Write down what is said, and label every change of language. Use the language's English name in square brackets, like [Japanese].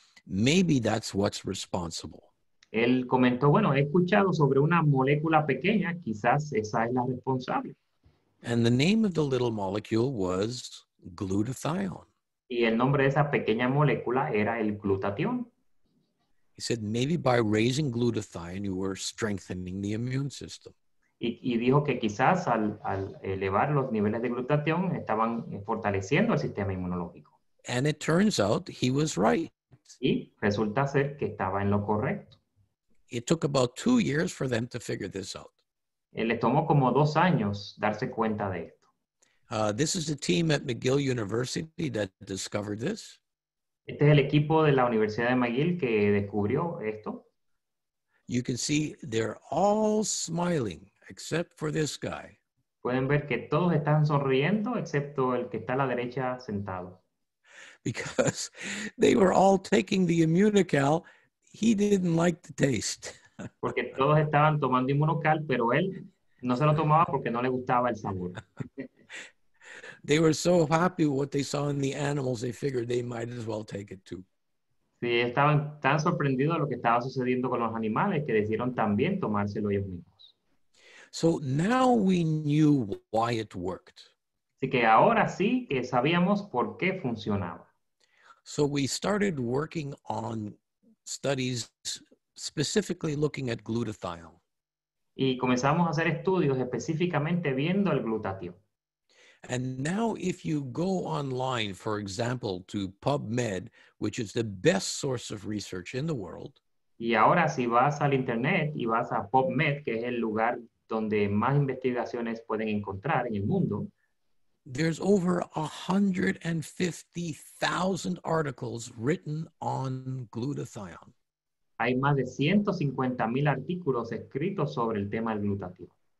[English] Maybe that's what's responsible. [Spanish] Él comentó, bueno, he escuchado sobre una molécula pequeña. Quizás esa es la responsable. [English] And the name of the little molecule was glutathione. [Spanish] Y el nombre de esa pequeña molécula era el glutatión. [English] He said, maybe by raising glutathione, you were strengthening the immune system. [Spanish] Y dijo que quizás al elevar los niveles de glutatión, estaban fortaleciendo el sistema inmunológico. [English] And it turns out he was right. [Spanish] Y resulta ser que estaba en lo correcto. [English] It took about 2 years for them to figure this out. [Spanish] Les tomó como 2 años darse cuenta de esto. [English] This is the team at McGill University that discovered this. [Spanish] Este es el equipo de la Universidad de McGill que descubrió esto. [English] You can see they're all smiling except for this guy. [Spanish] Pueden ver que todos están sonriendo excepto el que está a la derecha sentado. [English] Because they were all taking the Immunocal. He didn't like the taste. [Spanish] Porque todos estaban tomando Immunocal, pero él no se lo tomaba porque no le gustaba el sabor. [English] They were so happy with what they saw in the animals, they figured they might as well take it too. [Spanish] Sí, estaban tan sorprendidos de lo que estaba sucediendo con los animales que decidieron también tomárselo ellos mismos. [English] So now we knew why it worked. [Spanish] Así que ahora sí que sabíamos por qué funcionaba. [English] So we started working on studies specifically looking at glutathione. [Spanish] Y comenzamos a hacer estudios específicamente viendo el glutatión. [English] And now if you go online, for example, to PubMed, which is the best source of research in the world. [Spanish] Y ahora si vas al internet y vas a PubMed, que es el lugar donde más investigaciones pueden encontrar en el mundo. [English] There's over 150,000 articles written on glutathione. [Spanish] Hay más de 150,000 artículos escritos sobre el tema del glutatión.